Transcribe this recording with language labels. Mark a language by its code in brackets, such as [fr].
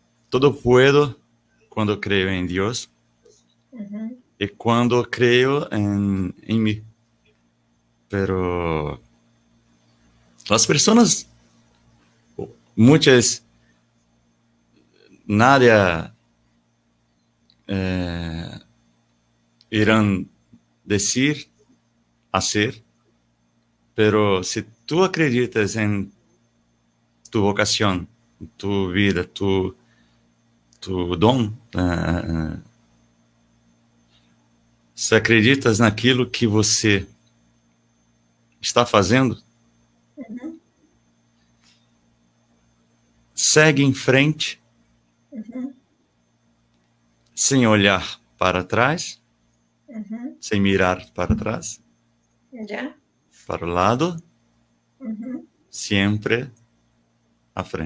[pt] Todo puedo quando creio em Deus. E quando creio em mim. [es] Pero las personas, muchas, nadie irán decir, hacer, pero si tú acreditas en tu vocación, tu vida, tu don, [pt] Se acreditas naquilo que você está fazendo, segue em frente, sem olhar para trás, sem mirar para trás, para o lado, sempre à frente.